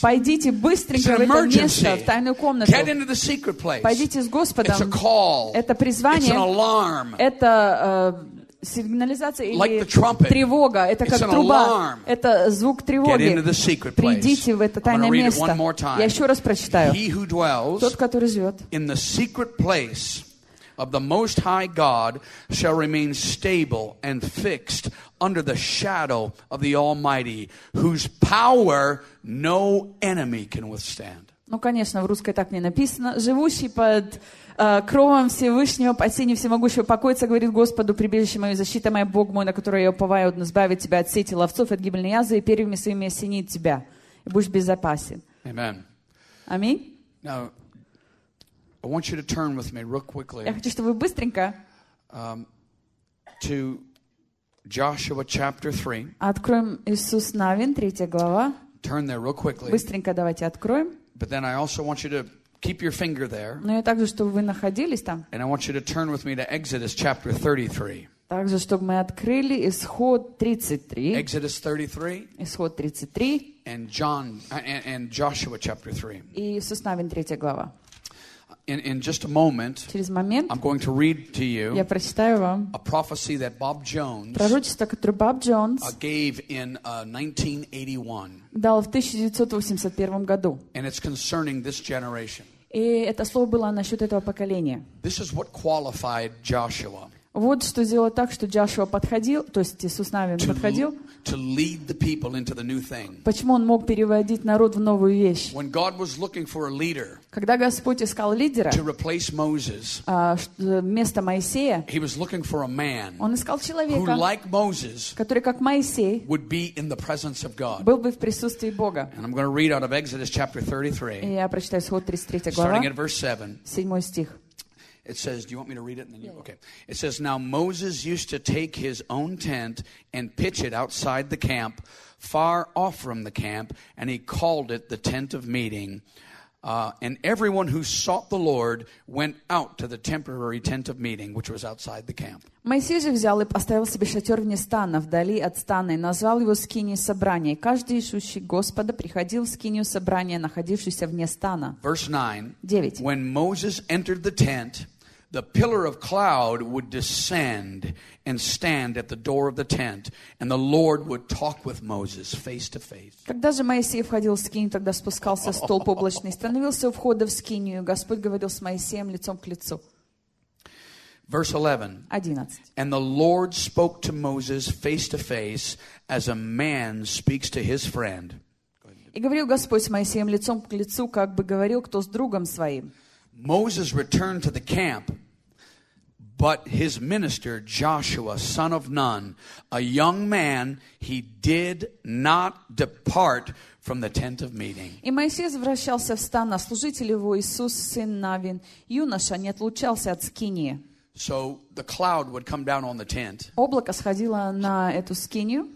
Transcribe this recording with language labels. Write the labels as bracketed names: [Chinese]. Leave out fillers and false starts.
[Russian] Пойдите быстренько в это место, в тайную комнату. [English] Get into the secret place. [Russian] Пойдите с Господом. [English] It's a call. [Russian] Это призвание. [English] It's an alarm. [Russian] Это сигнализация или [English] like the trumpet. [Russian] Тревога. Это как [English] it's an [Russian] труба. [English] Alarm. [Russian] Это звук тревоги. [English] Get into the secret place. [Russian] Придите в это тайное место. [English] I'm gonna read it one more time. [Russian] Я еще раз прочитаю. [English] He who dwells [Russian] тот, который живет [English] in the secret place of the Most High God shall remain stable and fixed under the shadow of the Almighty, whose power no enemy can withstand. [Russian] Ну, конечно, в русской так не написано. Живущий под кровом Всевышнего, под сенью всемогущего покоится, говорит Господу, прибежище мое, защита моя, Бог мой, на которое я уповаю, он избавит тебя от сети ловцов, от гибельной язвы, и перьями своими осенит тебя, и будешь безопасен. Аминь. Аминь. [English] Now, I want you to turn with me real quickly. [Russian] Я хочу, чтобы вы быстренько [English] to Joshua chapter 3. [Russian] Откроем Иисус Навин, 3 глава. [English] Turn there real quickly. [Russian] Быстренько давайте откроем. [English] But then I also want you to keep your finger there. [Russian] Но я также, чтобы вы находились там. [English] And I want you to turn with me to Exodus chapter 33. [Russian] Также, чтобы мы открыли Исход 33. [English] Exodus 33. [Russian] Исход 33. [English] And John and Joshua chapter 3. [Russian] И Иисус Навин, 3 глава. [English] In just a moment, [Russian] через момент, [English] I'm going to read to you [Russian] я прочитаю вам [English] a prophecy that Bob Jones, [Russian] пророчество, которое Боб Джонс [English] gave in 1981, [Russian] дал в 1981 году. [English] And it's concerning this generation. [Russian] И это слово было насчет этого поколения. [English] This is what qualified Joshua. [Russian] Вот что сделало так, что Джошуа подходил, то есть Иисус Навин подходил. [English] To lead the people into the new thing. [Russian] Почему он мог переводить народ в новую вещь? [English] When God was looking for a leader, [Russian] когда Господь искал лидера, [English] to replace Moses, [Russian] вместо Моисея, [English] he was looking for a man, [Russian] он искал человека, [English] who, like Moses, [Russian] который, как Моисей, [English] would be in the presence of God. [Russian] Был бы в присутствии Бога. [English] And I'm going to read out of Exodus chapter 33. [Russian] И я прочитаю Исход 33 глава, [English] starting at verse 7. [Russian] 7 стих. [English] It says, do you want me to read it? And then you, okay. It says, now Moses used to take his own tent and pitch it outside the camp, far off from the camp, and he called it the tent of meeting. And everyone who sought the Lord went out to the temporary tent of meeting, which was outside the camp. [Russian] Моисей же взял и поставил себе шатер вне стана, вдали от стана, и назвал его скинией собрания. И каждый ищущий Господа приходил в скинию собрания, находившуюся вне стана. [English] Verse 9. [Russian] 9. [English] When Moses entered the tent, the pillar of cloud would descend and stand at the door of the tent, and the Lord would talk with Moses face to face. [Russian] Когда же Моисей входил в скинию, тогда спускался столб облачный, становился у входа в скинию, и Господь говорил с Моисеем лицом к лицу. [English] Verse 11. And the Lord spoke to Moses face to face as a man speaks to his friend. [Russian] И говорил Господь с Моисеем лицом к лицу, как бы говорил кто с другом своим. [English] Moses returned to the camp, but his minister Joshua, son of Nun, a young man, he did not depart from the tent of meeting. [Russian] И Моисей возвращался в стан, а служитель его Иисус, сын Навин, юноша, не отлучался от скинии. [English] So the cloud would come down on the tent. [Russian] Облако сходило на эту скинию.